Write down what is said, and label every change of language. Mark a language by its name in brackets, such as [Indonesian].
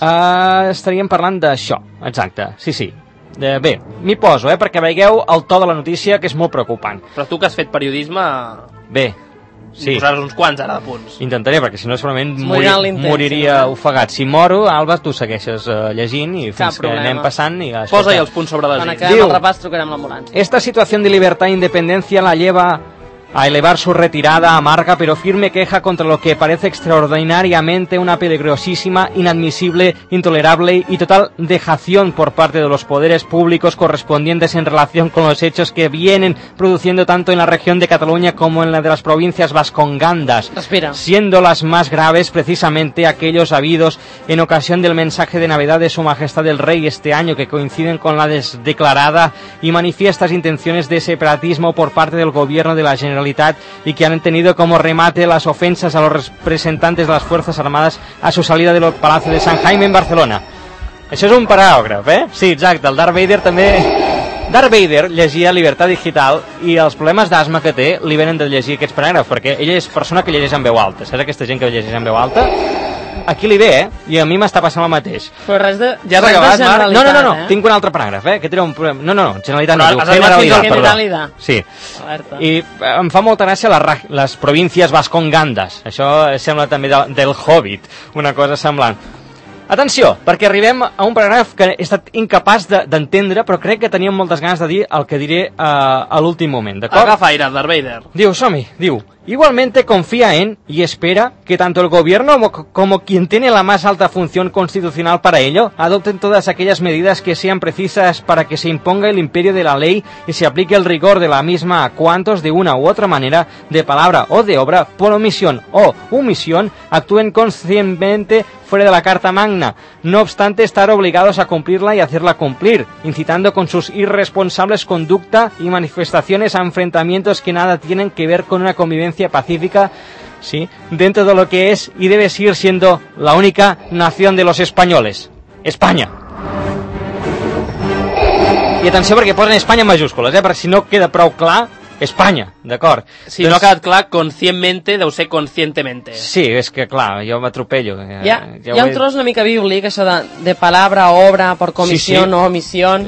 [Catalan] Estaríem parlant d'això, exacte, sí. Bé, m'hi poso, perquè vegueu el to de la notícia, que és molt preocupant. Però tu, que has fet periodisme... Bé, sí. Hi posaràs uns quants, ara, de punts. Intentaré, perquè si no, segurament moriria ofegat. Si moro, Alba, tu segueixes llegint i fins que anem passant... I posa-hi els punts sobre la gent. Quan acabem el repàs, trucarem l'ambulància. [Spanish] Esta situación de libertad e independencia la lleva a elevar su retirada amarga pero firme queja contra lo que parece extraordinariamente una peligrosísima, inadmisible, intolerable y total dejación por parte de los poderes públicos correspondientes en relación con los hechos que vienen produciendo tanto en la región de Cataluña como en la de las provincias vascongandas. [Catalan] Respira. [Spanish] Siendo las más graves precisamente aquellos habidos en ocasión del mensaje de Navidad de Su Majestad el Rey este año, que coinciden con la declarada y manifiestas intenciones de separatismo por parte del gobierno de la Generalitat y que han tenido como remate las ofensas a los representantes de las Fuerzas Armadas a su salida del Palacio de San Jaime en Barcelona. [Catalan] Això és un paràgraf, eh? Sí, exacte, el Darth Vader també... Darth Vader llegia Libertat Digital i els problemes d'asma que té li venen de llegir aquests paràgrafs, perquè ell és persona que llegeix en veu alta, saps aquesta gent que llegeix en veu alta? Aquí li ve, eh? I a mi m'està passant el mateix. Però res de... Ja has acabat, Marc? No. Tinc un altre paràgraf, eh? Que té un problema... No, Generalitat no. Generalitat, perdó. Sí. Alerta. I em fa molta gràcia les províncies vascongandes. Això sembla també del Hobbit, una cosa semblant. Atenció, perquè arribem a un paràgraf que he estat incapaç d'entendre, però crec que teníem moltes ganes de dir el que diré a l'últim moment, d'acord? Agafa aire, Darth Vader. Diu, som-hi, diu... [Spanish] Igualmente confía en y espera que tanto el gobierno como quien tiene la más alta función constitucional para ello adopten todas aquellas medidas que sean precisas para que se imponga el imperio de la ley y se aplique el rigor de la misma a cuantos de una u otra manera, de palabra o de obra, por omisión o omisión, actúen conscientemente fuera de la Carta Magna, no obstante estar obligados a cumplirla y hacerla cumplir, incitando con sus irresponsables conducta y manifestaciones a enfrentamientos que nada tienen que ver con una convivencia pacífica, sí, dentro de lo que es y debe seguir siendo la única nación de los españoles, España. [Catalan] I atenció, perquè posen Espanya en majúscules, per si no queda prou clar, Espanya, d'acord? Si no ha quedat clar, conscientemente, deu ser conscientemente. Sí, és que clar, jo m'atropello. Hi ha un tros una mica bíblic, això [Spanish] de palabra, obra, por comisión o omisión.